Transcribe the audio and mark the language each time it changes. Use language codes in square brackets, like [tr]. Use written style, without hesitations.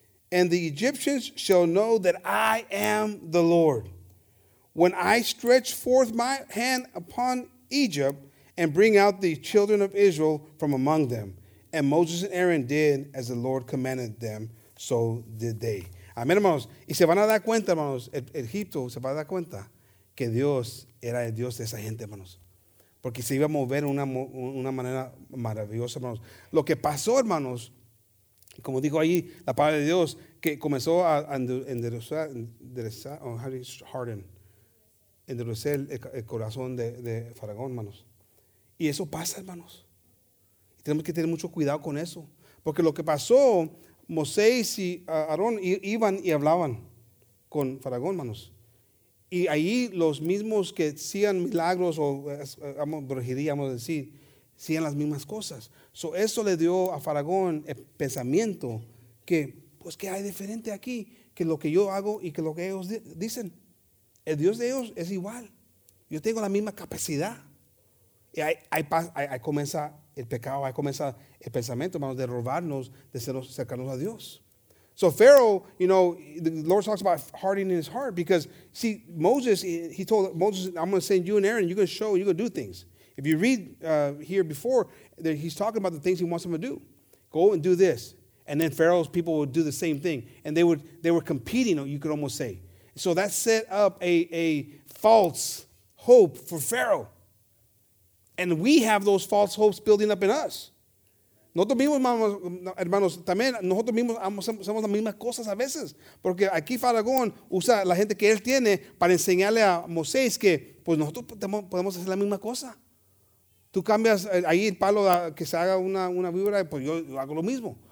[en] And the Egyptians shall know that I am the Lord. When I stretch forth my hand upon Egypt and bring out the children of Israel from among them. And Moses and Aaron did as the Lord commanded them. So did they. [es] Amén, hermanos. Y se van a dar cuenta, hermanos, Egipto se va a dar cuenta que Dios era el Dios de esa gente, hermanos. Porque se iba a mover en una manera maravillosa, hermanos. Lo que pasó, hermanos, como dijo ahí la palabra de Dios, que comenzó a enderezar el corazón de Faraón, hermanos. Y eso pasa, hermanos. Y tenemos que tener mucho cuidado con eso. Porque lo que pasó... Moisés y Aarón iban y hablaban con Faraón, hermanos. Y ahí los mismos que hacían milagros o brujería, vamos a decir, hacían las mismas cosas. So eso le dio a Faraón el pensamiento que, pues, ¿qué hay diferente aquí? Que lo que yo hago y que lo que ellos dicen. El Dios de ellos es igual. Yo tengo la misma capacidad. Y ahí comienza el pecado, ahí comienza... el pensamiento, hermanos, de robarnos, de sernos cercanos a Dios. [en] So Pharaoh, you know, the Lord talks about hardening his heart because, see, Moses, he told Moses, I'm going to send you and Aaron, you're going to show, you're going to do things. If you read here before, that he's talking about the things he wants them to do. Go and do this. And then Pharaoh's people would do the same thing. And they were competing, you could almost say. So that set up a false hope for Pharaoh. And we have those false hopes building up in us. [es] Nosotros mismos, hermanos, también nosotros mismos somos las mismas cosas a veces. Porque aquí Faraón usa la gente que él tiene para enseñarle a Moisés que pues nosotros podemos hacer la misma cosa. Tú cambias ahí el palo que se haga una víbora, pues yo hago lo mismo.